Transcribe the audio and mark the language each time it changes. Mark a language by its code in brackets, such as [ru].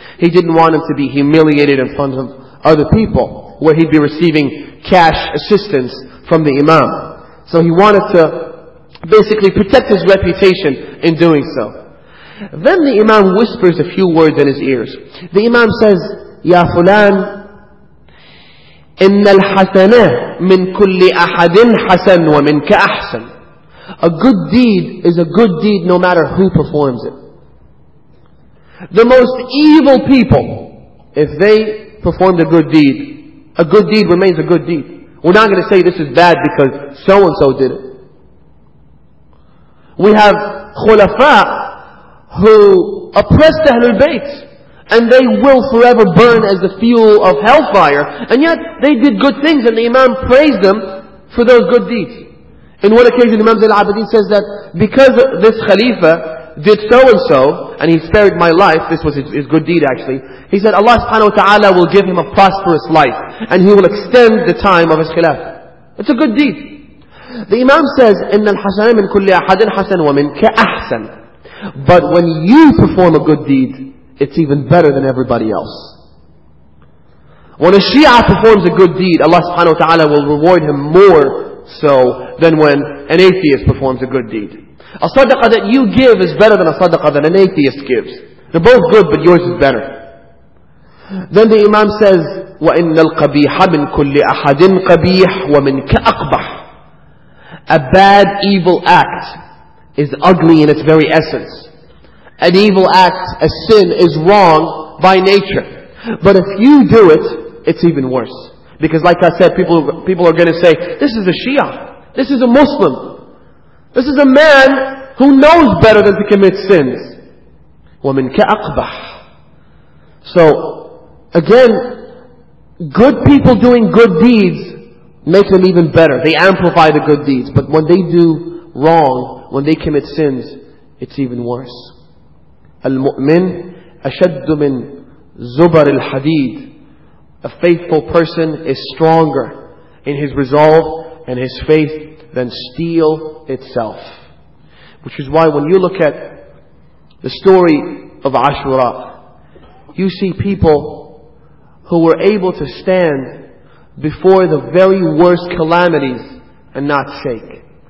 [en] He didn't want him to be humiliated in front of other people, where he'd be receiving cash assistance from the Imam. So he wanted to basically protect his reputation in doing so. Then the Imam whispers a few words in his ears. The Imam says, [ar] Ya Fulan, إِنَّ الْحَسَنَةَ مِنْ كُلِّ أَحَدٍ حَسَنْ وَمِنْكَ أَحْسَنْ. [en] A good deed is a good deed no matter who performs it. The most evil people, if they performed a good deed remains a good deed. We're not going to say this is bad because so-and-so did it. We have khulafa who oppressed Ahlul Bayt, and they will forever burn as the fuel of hellfire, and yet they did good things, and the Imam praised them for those good deeds. In one occasion, Imam Zain al-Abidin says that because this Khalifa did so and so, and he spared my life, this was his good deed actually, he said Allah subhanahu wa ta'ala will give him a prosperous life, and he will extend the time of his khilaf. It's a good deed. The Imam says, [ar] إِنَّ الْحَسَنَ مِنْ كُلِّ أَحَدٍ حَسَنٍ وَمِنْكَ أَحْسَنٍ. [en] But when you perform a good deed, it's even better than everybody else. When a Shia performs a good deed, Allah subhanahu wa ta'ala will reward him more so than when an atheist performs a good deed. A sadaqah that you give is better than a sadaqah that an atheist gives. They're both good, but yours is better. Then the Imam says, [ar] وَإِنَّ الْقَبِيحَ مِنْ كُلِّ أَحَدٍ قَبِيحٍ وَمِنْكَ أَقْبَحٍ. [en] A bad, evil act is ugly in its very essence. An evil act, a sin, is wrong by nature. But if you do it, it's even worse. Because like I said, people are going to say, this is a Shia. This is a Muslim. This is a man who knows better than to commit sins. [ar] وَمِنْ كَأَقْبَحٍ. [en] So, again, good people doing good deeds make them even better. They amplify the good deeds. But when they do wrong, when they commit sins, it's even worse. [ar] المؤمن أشد من زبر الحديد. [en] A faithful person is stronger in his resolve and his faith than steel itself. Which is why when you look at the story of Ashura, you see people who were able to stand before the very worst calamities and not shake.